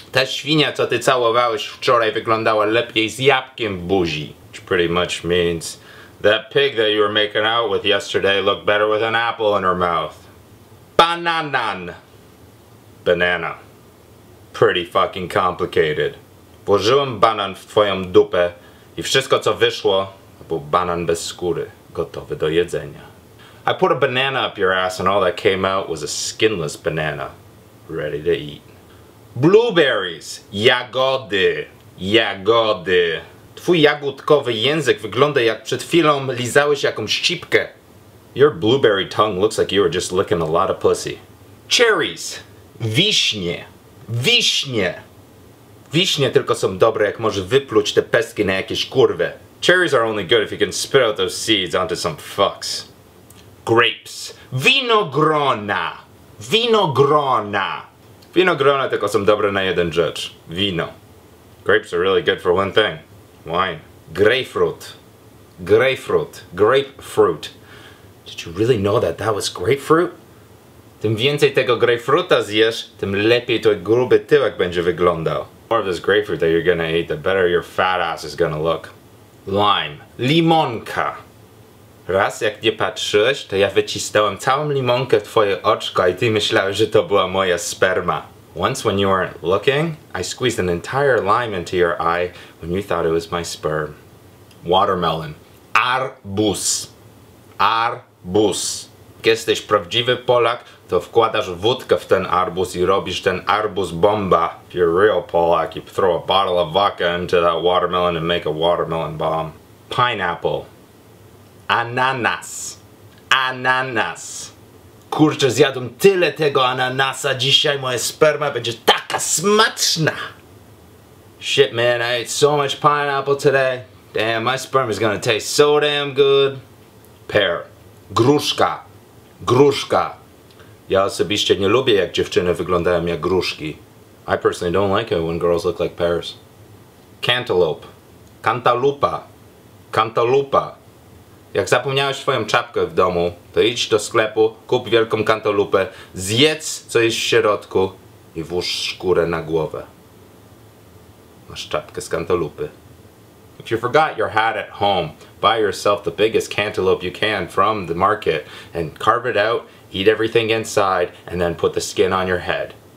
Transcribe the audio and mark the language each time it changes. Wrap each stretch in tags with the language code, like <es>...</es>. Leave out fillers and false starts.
<pl>Ta świnia, co ty całowałeś wczoraj, wyglądała lepiej z jabłkiem w buzi.</pl> <en>Which pretty much means that pig that you were making out with yesterday looked better with an apple in her mouth. Bananan. Banana. Pretty fucking complicated.</en> <pl>Włożyłem banan w twoją dupę I wszystko co wyszło był banan bez skóry, gotowy do jedzenia.</pl> <en>I put a banana up your ass and all that came out was a skinless banana, ready to eat. Blueberries.</en> <pl>Jagody. Jagody. Twój jagódkowy język wygląda jak przed chwilą lizałeś jakąś cipkę.</pl> <en>Your blueberry tongue looks like you were just licking a lot of pussy. Cherries.</en> <pl>Wiśnie. Wiśnie. Wiśnie tylko są dobre jak możesz wypluć te pestki na jakieś kurwy.</pl> <en>Cherries are only good if you can spit out those seeds onto some fucks. Grapes.</en> <pl>Winogrona. Winogrona. Winogrona tylko są dobre na jeden rzecz. Wino.</pl> <en>Grapes are really good for one thing. Wine. Grapefruit. Grapefruit. Grapefruit. Did you really know that that was grapefruit?</en> <pl>Tym więcej tego grapefruita zjesz, tym lepiej twój gruby tyłek będzie wyglądał.</pl> <en>The more of this grapefruit that you're gonna eat, the better your fat ass is gonna look. Lime.</en> <pl>Limonka. Raz jak nie patrzyłeś, to ja wycisnąłem całą limonkę w twoje oczko I ty myślałeś, że to była moja sperma.</pl> <en>Once when you weren't looking, I squeezed an entire lime into your eye when you thought it was my sperm. Watermelon.</en> <pl>Arbus. Arbus. Jesteś prawdziwy Polak, to wkładasz wódkę w ten arbus I robisz ten arbus bomba.</pl> <en>If you're a real Polak, you throw a bottle of vodka into that watermelon and make a watermelon bomb. Pineapple.</en> <pl>Ananas. Ananas. Kurczę, zjadłem tyle tego ananasa dzisiaj, moja sperma będzie taka smaczna.</pl> <en>Shit, man, I ate so much pineapple today. Damn, my sperm is gonna taste so damn good. Pear.</en> <pl>Gruszka. Gruszka. Ja osobiście nie lubię, jak dziewczyny wyglądają jak gruszki.</pl> <en>I personally don't like it when girls look like pears. Cantaloupe.</en> <pl>Kantalupa. Kantalupa. Jak zapomniałeś swoją czapkę w domu, to idź do sklepu, kup wielką kantalupę, zjedz, co jest w środku I włóż skórę na głowę. Masz czapkę z kantalupy.</pl> <en>If you forgot your hat at home, buy yourself the biggest cantaloupe you can from the market and carve it out, eat everything inside, and then put the skin on your head.</en>